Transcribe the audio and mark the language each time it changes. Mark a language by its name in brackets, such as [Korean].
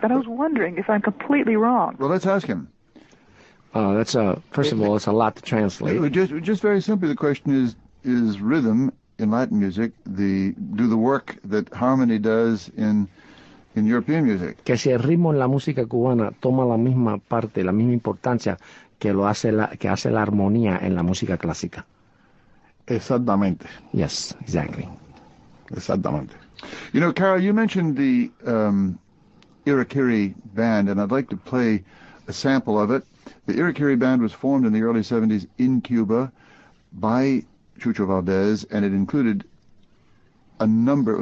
[English] But I was wondering if I'm completely wrong. Well, let's ask him. It's a lot to translate. Just very simply, the question is rhythm in Latin music do the work that harmony does in European music? [Spanish] Que si el ritmo en la música cubana toma la misma parte, la misma importancia que lo hace que hace la armonía en la música clásica. Exactamente. [English] Yes, exactly. [Spanish] Exactamente. [English] You know, Carol, you mentioned the Irakere band, and I'd like to play a sample of it. The Irakere band was formed in the early 70s in Cuba by Chucho Valdez, and it included a number.